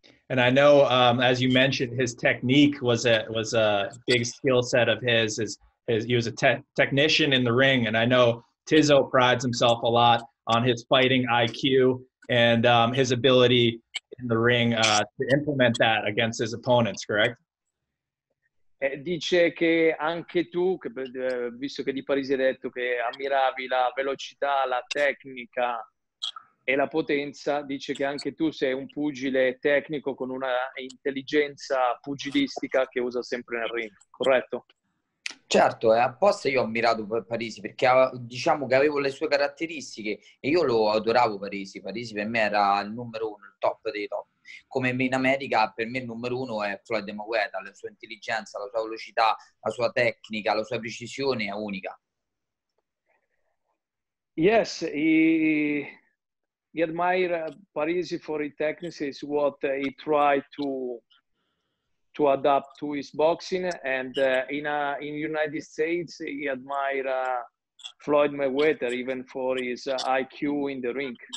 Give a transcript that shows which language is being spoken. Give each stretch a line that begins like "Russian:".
English: And I know, as you mentioned, his technique was a big skill set of his. He was a technician in the ring, and I know Tizzo prides himself a lot on his fighting IQ and his ability in the ring to implement that against his opponents, correct?
Italian: Dice che anche tu, visto che di Parisi hai detto che ammiravi la velocità, la tecnica e la potenza, dice che anche tu sei un pugile tecnico con una intelligenza pugilistica che usa sempre nel ring, corretto? Certo, apposta io ho ammirato Parisi, perché diciamo che avevo le sue caratteristiche e io lo adoravo Parisi. Parisi per me era il numero uno, il top dei top. Come in America, per me il numero uno è Floyd Mayweather. La sua intelligenza, la sua velocità, la sua tecnica, la sua precisione è unica.
English: Yes, he admire Parisi for his techniques, what he tried to adapt to his boxing, and in United States he admired Floyd Mayweather even for his IQ in the ring.